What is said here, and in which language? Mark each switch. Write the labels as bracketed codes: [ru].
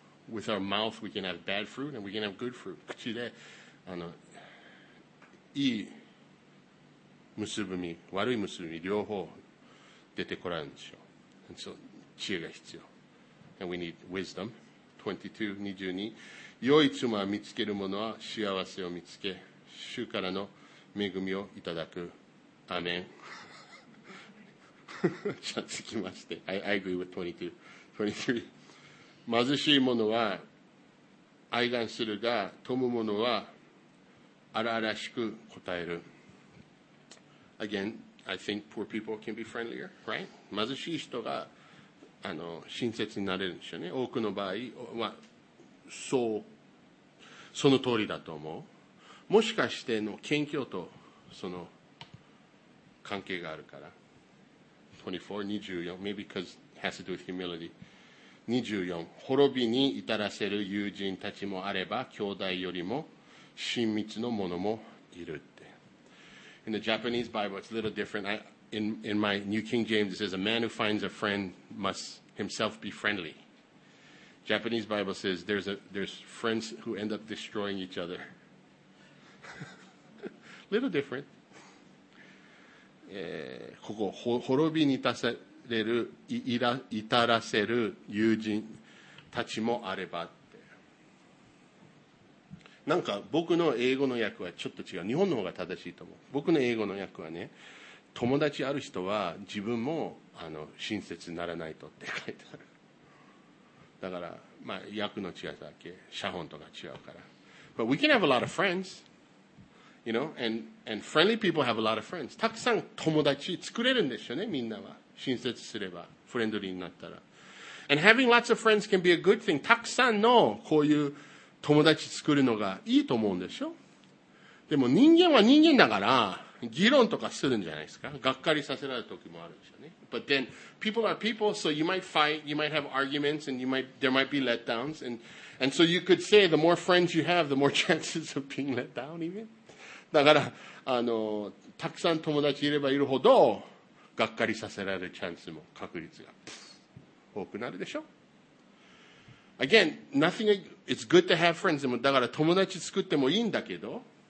[en] With our mouth we can have bad fruit and we can have good fruit. [ja] 口でいい結ぶみ、悪い結ぶみ、両方出てこられるんでしょう。 [en] And so, [ja] 知恵が必要。 [en] And we need wisdom. 22, 22. [ja] 良い妻を見つける者は幸せを見つけ、主からの恵みをいただく。アメン。じゃあ、続きまして。 [en] I agree with 22. 23. [ja] 貧しい者は愛願するが、富む者は荒々しく答える。 [en] Again, I think poor people can be friendlier, right? [ja] 貧しい人が親切になれるんですよね。多くの場合は、その通りだと思う。もしかしての謙虚とその関係があるから。 [en] 24, maybe because it has to do with humility. 24. [ja] 滅びに至らせる友人たちもあれば、兄弟よりも親密のものもいるって。 [en] In the Japanese Bible, it's a little different. In my New King James, it says, a man who finds a friend must himself be friendly. Japanese Bible says, there's friends who end up destroying each other. Little different. [ja] ここ、滅びに至らせる。至らせる友人たちもあればって。なんか僕の英語の訳はちょっと違う。日本の方が正しいと思う。僕の英語の訳はね、友達ある人は自分も親切にならないとって書いてある。だから、まあ訳の違いだけ、写本とか違うから。 [en] But we can have a lot of friends, you know, and friendly people have a lot of friends. [ja] たくさん友達作れるんですよね、みんなは。親切すればフレンドリーになったら、 [en] and having lots of friends can be a good thing。 [ja] たくさんのこういう友達作るのがいいと思うんでしょ。でも人間は人間だから議論とかするんじゃないですか。がっかりさせられる時もあるでしょうね。 [en] But then people are people, so you might fight, you might have arguments, and there might be letdowns, and so you could say the more friends you have, the more chances of being let down even。 [ja] だからたくさん友達いればいるほど。がっかりさせられるチャンスも確率が多くなるでしょ。 [en] Again, nothing. It's good to have friends. [ja] でもだから友達作ってもいいんだけど、